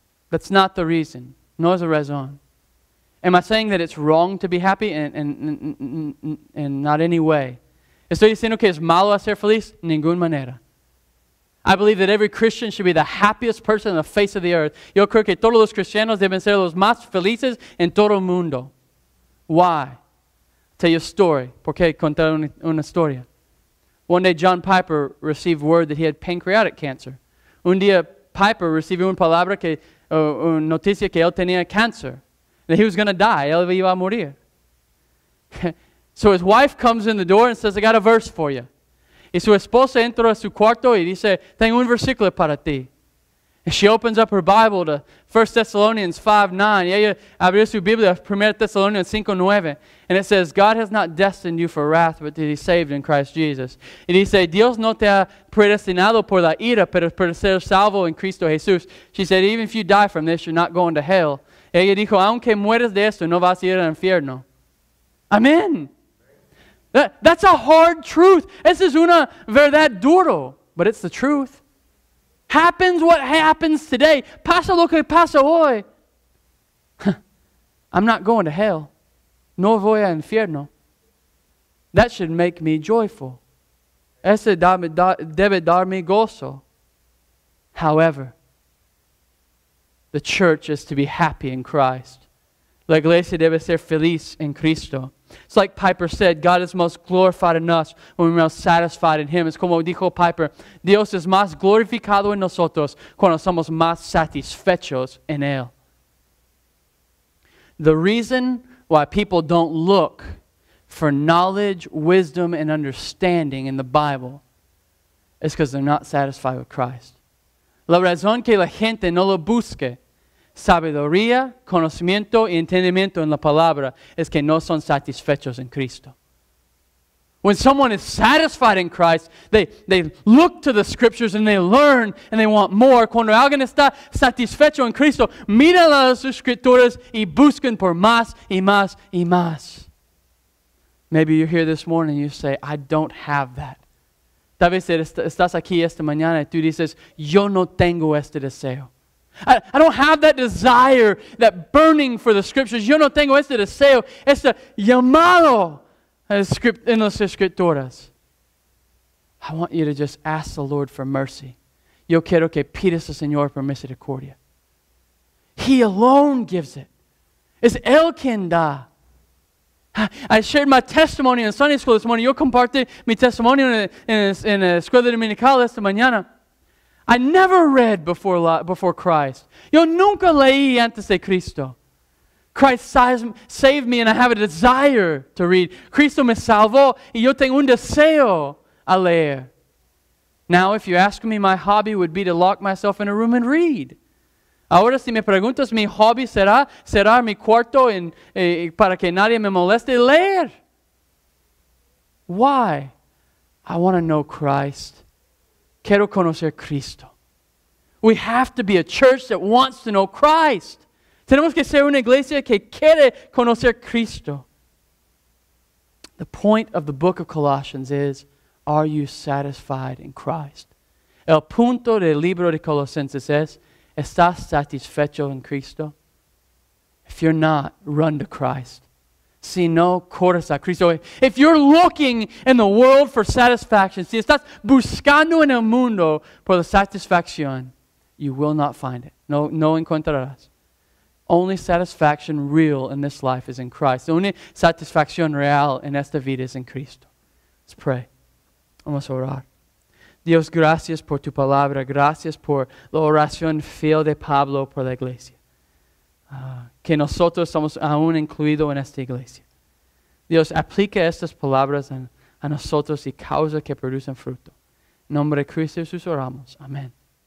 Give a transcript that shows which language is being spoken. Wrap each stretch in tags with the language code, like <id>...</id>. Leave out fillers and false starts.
<en>That's not the reason.</en> <es>No es la razón.</es> <en>Am I saying that it's wrong to be happy? And not any way.</en> <es>Estoy diciendo que es malo hacer feliz? Ninguna manera.</es> <en>I believe that every Christian should be the happiest person on the face of the earth.</en> <es>Yo creo que todos los cristianos deben ser los más felices en todo el mundo.</es> <en>Why? Tell you a story.</en> <es>¿Por qué contar una historia?</es> <en>One day John Piper received word that he had pancreatic cancer.</en> <es>Un día Piper recibió una palabra que, una noticia que él tenía cancer.</es> <en>That he was going to die.</en> <es>Él iba a morir.</es> <en>So his wife comes in the door and says, I got a verse for you.</en> <es>Y su esposa entra a su cuarto y dice, tengo un versículo para ti.</es> <en>And she opens up her Bible to 1 Thessalonians 5, 9.</en> <es>Y ella abrió su Biblia, 1 Thessalonians 5, 9.</es> <en>And it says, God has not destined you for wrath, but to be saved in Christ Jesus.</en> <es>Y dice, Dios no te ha predestinado por la ira, pero para ser salvo en Cristo Jesús.</es> <en>She said, even if you die from this, you're not going to hell.</en> <es>Y ella dijo, aunque mueres de esto, no vas a ir al infierno.</es> <en>Amen. That's a hard truth.</en> <es>Esa es una verdad duro,</es> <en>but it's the truth. Happens what happens today.</en> <es>Pasa lo que pasa hoy.</es> <en>I'm not going to hell.</en> <es>No voy a infierno.</es> <en>That should make me joyful.</en> <es>Ese debe darme gozo.</es> <en>However, the church is to be happy in Christ.</en> <es>La iglesia debe ser feliz en Cristo.</es> <en>It's like Piper said, God is most glorified in us when we're most satisfied in Him.</en> <es>It's como dijo Piper, Dios es más glorificado en nosotros cuando somos más satisfechos en Él.</es> <en>The reason why people don't look for knowledge, wisdom, and understanding in the Bible is because they're not satisfied with Christ.</en> <es>La razón que la gente no lo busque sabiduría, conocimiento y entendimiento en la palabra es que no son satisfechos en Cristo.</es> <en>When someone is satisfied in Christ, they look to the scriptures and they learn and they want more.</en> <es>Cuando alguien está satisfecho en Cristo, mira las escrituras y buscan por más y más y más.</es> <en>Maybe you're here this morning and you say, I don't have that.</en> <es>Tal vez estás aquí esta mañana y tú dices, yo no tengo este deseo.</es> <en>I don't have that desire, that burning for the Scriptures.</en> <es>Yo no tengo este deseo, este llamado en las Escrituras.</es> <en>I want you to just ask the Lord for mercy.</en> <es>Yo quiero que pidas al Señor por misericordia.</es> <en>He alone gives it.</en> <es>Es Él quien da.</es> <en>I shared my testimony in Sunday school this morning.</en> <es>Yo compartí mi testimonio en la Escuela Dominical esta mañana.</es> <en>I never read before Christ. Yo nunca leí antes de Cristo. Christ saved me and I have a desire to read.</en> <es>Cristo me salvó y yo tengo un deseo a leer.</es> <en>Now, if you ask me, my hobby would be to lock myself in a room and read.</en> <es>Ahora, si me preguntas, mi hobby será cerrar mi cuarto para que nadie me moleste leer.</es> <en>Why? I want to know Christ.</en> <es>Quiero conocer Cristo.</es> <en>We have to be a church that wants to know Christ.</en> <es>Tenemos que ser una iglesia que quiere conocer Cristo.</es> <en>The point of the book of Colossians is, are you satisfied in Christ?</en> <es>El punto del libro de Colosenses es, ¿estás satisfecho en Cristo?</es> <en>If you're not, run to Christ.</en> <es>Si no, corres a Cristo.</es> <en>If you're looking in the world for satisfaction,</en> <es>si estás buscando en el mundo por la satisfacción,</es> <en>you will not find it.</en> <es>No encontrarás.</es> <en>Only satisfaction real in this life is in Christ.</en> <es>La única satisfacción real en esta vida es en Cristo.</es> <en>Let's pray.</en> <es>Vamos a orar. Dios, gracias por tu palabra. Gracias por la oración fiel de Pablo por la iglesia. Que nosotros somos aún incluidos en esta iglesia. Dios, aplica estas palabras a nosotros y causa que producen fruto. En nombre de Cristo Jesús oramos. Amén.</es>